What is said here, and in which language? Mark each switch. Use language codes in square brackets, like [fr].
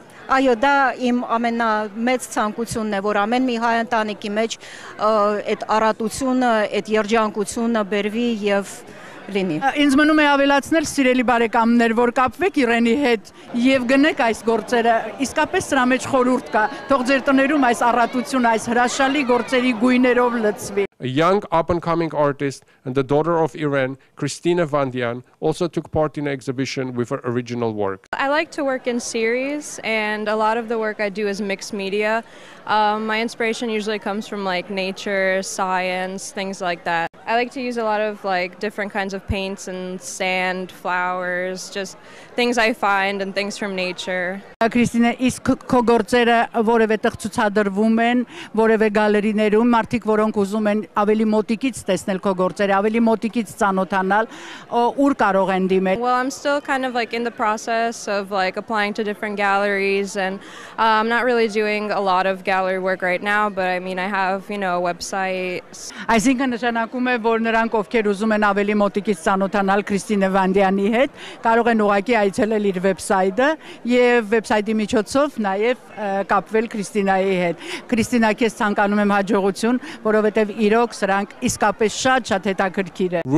[hy] Այո, դա իմ ամենամեծ ցանկությունն է, որ ամեն մի հայ ընտանիքի մեջ այդ առատությունը, այդ երջանկությունը բերվի եւ լինի։ Ինձ մնում է ավելացնել, սիրելի բարեկամներ, որ կապվեք Իրենի հետ եւ գնեք այս գործերը, իսկապես սրա մեջ խորհուրդ կա, թող ձեր տներում այս առատությունը, այս հրաշալի գործերի գույներով լցվի։ [en] A young up-and-coming artist and the daughter of Iran, Christina Vandian, also took part in an exhibition with her original work. I like to work in series, and a lot of the work I do is mixed media. My inspiration usually comes from like nature, science, things like that. I like to use a lot of like different kinds of paints and sand, flowers, just things I find and things from nature. [hy] Քրիստինե, իսկ քո գործերը որևէ տեղ ցուցադրվում են, որևէ գալերիներում, մարդիկ, որոնք ուզում են ավելի մոտիկից տեսնել քո գործերը, ավելի մոտիկից ծանոթանալ, ուր կարող են դիմել? [en] Well, I'm still kind of like in the process of like applying to different galleries and I'm not really doing a lot of gallery work right now, but I mean I have, you know, a website. [hy] Այսինքն նշանակում է, որ նրանք, ովքեր ուզում են ավելի մոտիկից ծանոթանալ Քրիստինե Վանդյանի հետ, կարող են ուղղակի այցելել իր website-ը եւ website-ի միջոցով նաեւ կապվել Քրիստինայի հետ։ Քրիստինա, քեզ ցանկանում եմ հաջողություն, որովհետեւ իրոք սրանք իսկապես շատ հետաքրքիր է։